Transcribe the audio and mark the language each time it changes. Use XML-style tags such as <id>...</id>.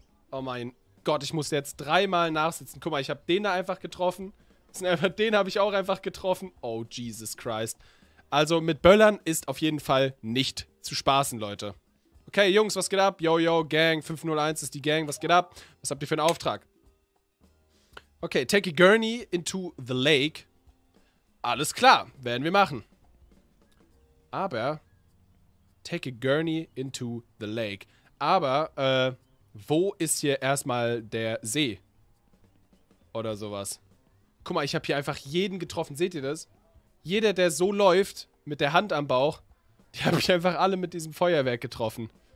<de>Oh mein Gott, ich muss jetzt dreimal nachsitzen. Guck mal, ich habe den da einfach getroffen. Den habe ich auch einfach getroffen.</de> <en>Oh, Jesus Christ.</en> <de>Also, mit Böllern ist auf jeden Fall nicht zu spaßen, Leute. Okay, Jungs, was geht ab? Yo, yo, Gang. 501 ist die Gang. Was geht ab? Was habt ihr für einen Auftrag?</de> <en>Okay, take a gurney into the lake.</en> <de>Alles klar, werden wir machen.</de> <en>Aber, take a gurney into the lake.</en> <de>Aber, wo ist hier erstmal der See? Oder sowas. Guck mal, ich habe hier einfach jeden getroffen. Seht ihr das? Jeder, der so läuft, mit der Hand am Bauch, die habe ich einfach alle mit diesem Feuerwerk getroffen.</de>